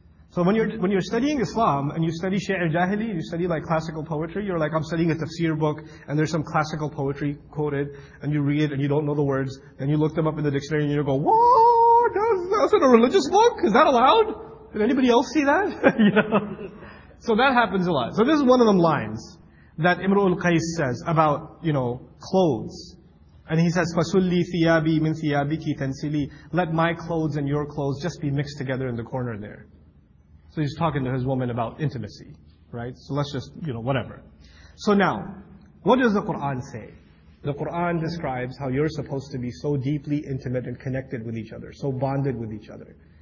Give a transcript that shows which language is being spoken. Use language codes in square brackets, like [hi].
[en] So when you're studying Islam, and you study Shi'ir Jahili, you study like classical poetry, you're like, I'm studying a tafsir book, and there's some classical poetry quoted, and you read it, and you don't know the words, then you look them up in the dictionary, and you go, whoa! That's in a religious book? Is that allowed? Did anybody else see that? You know? So that happens a lot. So this is one of them lines that Imru' al-Qais says about, you know, clothes. And he says, [ar] فَسُلِّي ثِيَابِي مِن ثِيَابِكِ تَنْسِلِي. [en] Let my clothes and your clothes just be mixed together in the corner there. So he's talking to his woman about intimacy, right? So let's just, you know, whatever. So now, what does the Qur'an say? The Qur'an describes how you're supposed to be so deeply intimate and connected with each other, so bonded with each other.